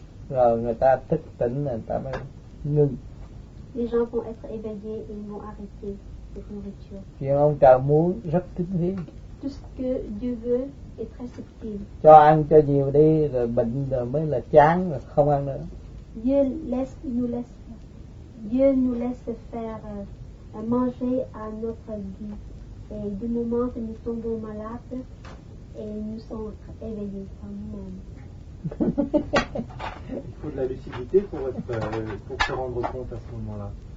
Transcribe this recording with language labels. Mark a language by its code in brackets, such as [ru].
[vi] Rồi người ta thức tỉnh, người ta mới ngưng. [fr] Les gens vont être éveillés et vont arrêter cette nourriture. [vi] Chuyện ông trời muốn rất tinh vi. [fr] Tout ce que Dieu veut est très subtil. [vi] Cho ăn cho nhiều đi rồi bệnh rồi mới là chán rồi không ăn nữa. [fr] Dieu laisse, nous laisse Dieu nous laisse faire manger à notre vie. Et du moment que nous tombons malades, et nous sommes éveillés par nous-mêmes. Il faut de la lucidité pour être, pour se rendre compte à ce moment-là.